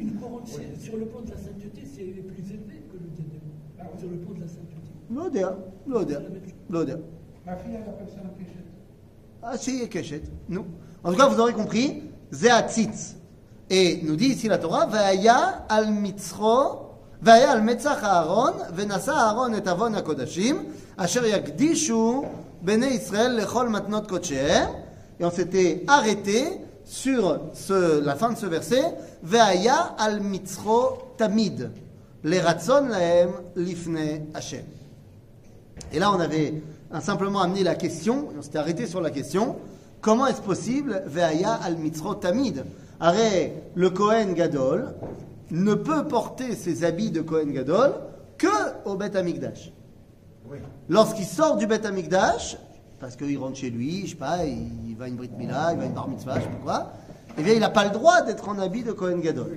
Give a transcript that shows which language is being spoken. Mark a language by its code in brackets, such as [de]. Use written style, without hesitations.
[fr] Une couronne, ouais. Sur le plan de la sainteté, c'est plus élevé que le diadème. Alors, sur le plan de la sainteté. L'odeur. Ma fille, elle appelle ça la cachette. Ah, si, elle cachette. Non. En tout cas, vous aurez compris, Zéatzitz. Et nous dit ici la Torah, Vaya al mitzro. [he] והיה על מצח אהרון, ונשא אהרון את אבון הקודשים, אשר יקדישו בני ישראל לכל מתנות קודשיהם. [fr] Et on s'était arrêté sur la fin de ce verset. [he] והיה על מצחו תמיד, לרצון להם לפני השם. [fr] Et là, on avait simplement amené la question, on s'était arrêté sur la question, comment est-ce possible, [he] והיה על מצחו תמיד? [fr] הרי le Kohen Gadol ne peut porter ses habits de Kohen Gadol que au Beth Amikdash. Oui. Lorsqu'il sort du Beth Amikdash, parce qu'il rentre chez lui, je sais pas, il va à une Brit Mila, il va à une Bar Mitzvah, je sais pas quoi, eh bien, il n'a pas le droit d'être en habit de Kohen Gadol.